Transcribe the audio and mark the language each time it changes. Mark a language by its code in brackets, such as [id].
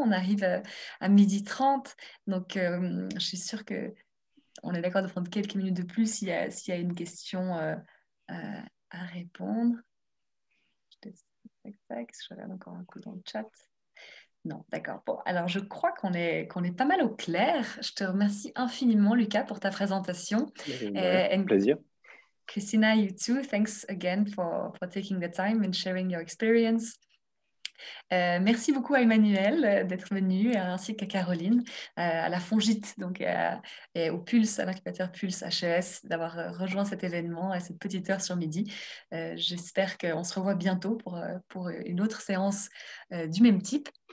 [fr] On arrive à 12h30. Donc, je suis sûre qu'on est d'accord de prendre quelques minutes de plus s'il y a une question à répondre. Je regarde encore un coup dans le chat. Non, d'accord. Bon, alors je crois qu'on est pas mal au clair. Je te remercie infiniment, Lucas, pour ta présentation. Plaisir. [en] Christina, you too. Thanks again for taking the time and sharing your experience. [fr] Merci beaucoup à Emmanuel d'être venu, ainsi qu'à Caroline, à la Fongite, donc et au Pulse, à l'incubateur Pulse HES, d'avoir rejoint cet événement à cette petite heure sur midi. J'espère qu'on se revoit bientôt pour une autre séance du même type.